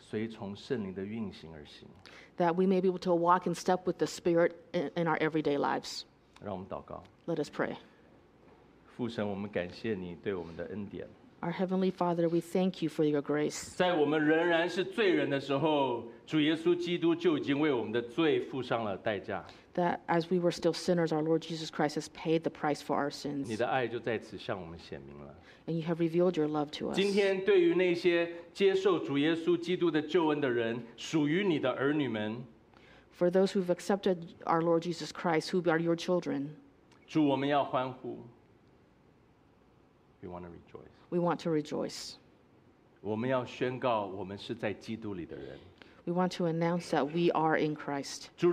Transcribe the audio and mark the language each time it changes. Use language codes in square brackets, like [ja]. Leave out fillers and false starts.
[zh] 让我们在每日的生活当中都是每一步每一步的随从圣灵的运行而行。 [en] That we may be able to walk in step with the Spirit in our everyday lives. [zh] 让我们祷告。 [en] Let us pray. [zh] 父神，我们感谢你对我们的恩典。 [en] Our Heavenly Father, we thank you for your grace. [zh] 在我们仍然是罪人的时候，主耶稣基督就已经为我们的罪付上了代价。 [en] That as we were still sinners, our Lord Jesus Christ has paid the price for our sins. [zh] 你的爱就在此向我们显明了。 [en] And you have revealed your love to us. [zh] 今天对于那些接受主耶稣基督的救恩的人，属于你的儿女们。 [en] For those who've accepted our Lord Jesus Christ, who are your children. [zh] 主，我们要欢呼。 [en] We want to rejoice. We want to rejoice. [zh] 我们要宣告我们是在基督里的人。 [en] We want to announce that we are in Christ.